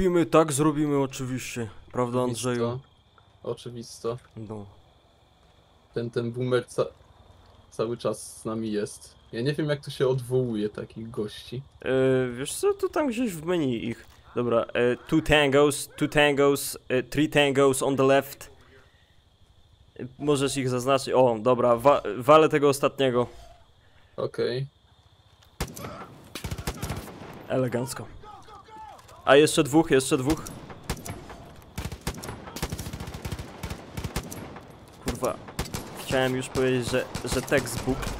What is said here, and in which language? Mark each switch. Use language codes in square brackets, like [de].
[pl] Tak zrobimy oczywiście. Prawda, Andrzeju? Oczywisto. No. Ten boomer cały czas z nami jest. Ja nie wiem, jak to się odwołuje takich gości. Wiesz co, to tam gdzieś w menu ich. [en] Dobra, two tangos, three tangos on the left. [pl] Możesz ich zaznaczyć. O, dobra, walę tego ostatniego. Okej. Okay. Elegancko. A jeszcze dwóch. Kurwa, chciałem już powiedzieć, że textbook.